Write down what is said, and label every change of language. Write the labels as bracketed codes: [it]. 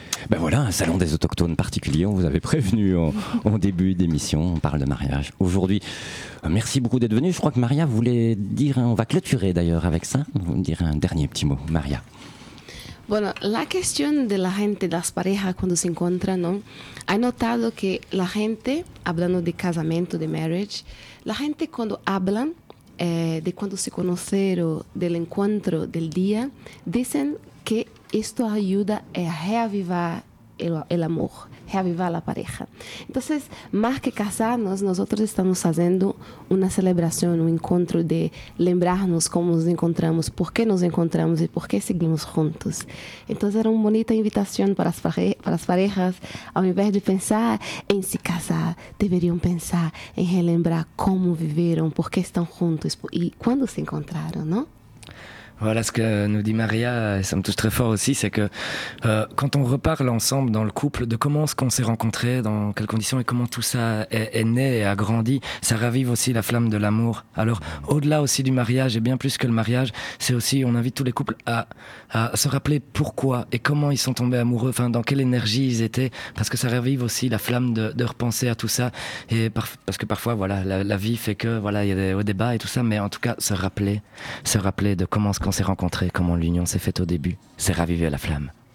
[fr] Ben voilà, un salon des autochtones particulier, on vous avait prévenu en début d'émission, on parle de mariage aujourd'hui. Merci beaucoup d'être venu. Je crois que Maria voulait dire, on va clôturer d'ailleurs avec ça, vous me direz un dernier petit mot, Maria. [es] Bueno, la cuestión de la gente, las parejas cuando se encuentran, ¿no? He notado que la gente, hablando de casamiento, de marriage, la gente cuando hablan de cuando se conocieron, del encuentro, del día, dicen que esto ayuda a reavivar el amor, reavivar la pareja. Entonces, más que casarnos, nosotros estamos haciendo una celebración, un encuentro de lembrarnos cómo nos encontramos, por qué nos encontramos y por qué seguimos juntos. Entonces, era una bonita invitación para las parejas, [pt] ao invés [es] de pensar en se casar, deberían pensar en relembrar cómo vivieron, por qué están juntos y cuándo se encontraron, ¿no? [fr] Voilà ce que nous dit Maria, et ça me touche très fort aussi, c'est que quand on reparle ensemble dans le couple de comment est-ce qu'on s'est rencontrés, dans quelles conditions et comment tout ça est né et a grandi, ça ravive aussi la flamme de l'amour. Alors au-delà aussi du mariage, et bien plus que le mariage, c'est aussi, on invite tous les couples à se rappeler pourquoi et comment ils sont tombés amoureux, enfin dans quelle énergie ils étaient, parce que ça ravive aussi la flamme de repenser à tout ça, et parce que parfois voilà, la vie fait que voilà, il y a des hauts débats et tout ça, mais en tout cas se rappeler de comment est-ce qu'on s'est rencontrés, comment l'union s'est faite au début, c'est raviver la flamme.